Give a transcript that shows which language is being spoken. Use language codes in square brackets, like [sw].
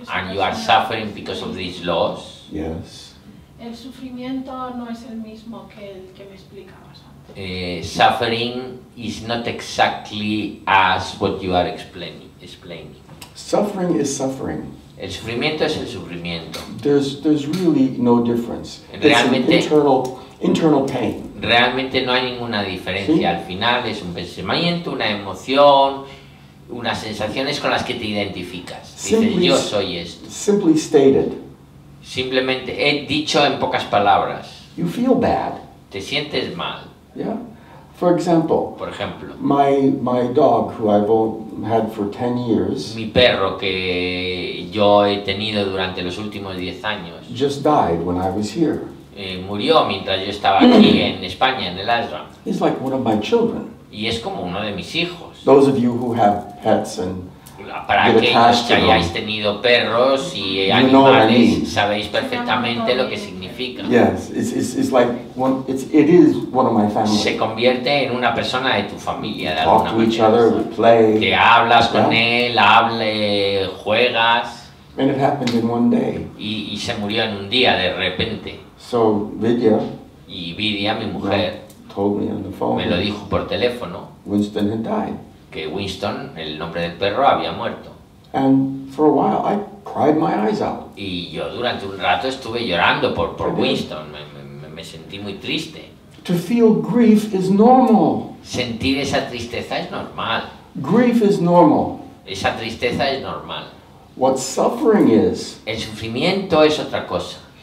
[en] and you are suffering because of this loss. Yes. [es] El sufrimiento no es el mismo que el que me explicabas antes. [en] Suffering is not exactly as what you are explaining. Suffering is suffering. [es] El sufrimiento es el sufrimiento. [en] There's really no difference. [es] Realmente, [en] it's an internal pain. [es] Realmente no hay ninguna diferencia. ¿Sí? Al final es un pensamiento, una emoción. Unas sensaciones con las que te identificas. Dices, [en] simply, [es] yo soy esto. [en] Simply stated, [es] simplemente he dicho en pocas palabras. [en] You feel bad. [es] Te sientes mal. [en] Yeah. For example, [es] por ejemplo, [en] my dog who I've had for 10 years. [es] Mi perro que yo he tenido durante los últimos 10 años. [en] Just died when I was here. [es] Murió mientras yo estaba aquí en España, en el Asra. [en] He's like one of my children. [es] Y es como uno de mis hijos. [en] Those of you who have pets and [es] para aquellos que hayáis tenido perros y animales, sabéis perfectamente lo que significa. [en] Yes, it's like one, it is one of my family. [es] Se convierte en una persona de tu familia. [en] Talk to each other, play. [es] Que hablas con él, hable, juegas. [en] And it happened in one day. [es] Y se murió en un día de repente. [en] So Vidya. [es] Y Vidya, mi mujer. [en] Told me on the phone. [es] Me lo dijo por teléfono. [en] Winston had died. [es] Que Winston, el nombre del perro, había muerto. [en] And for a while I cried my eyes out. [es] Y yo durante un rato estuve llorando por Winston. Me sentí muy triste. [en] To feel grief is normal. [es] Sentir esa tristeza es normal. [en] Grief is normal. [es] Esa tristeza es normal. [en] What suffering is? [es] El sufrimiento es otra cosa.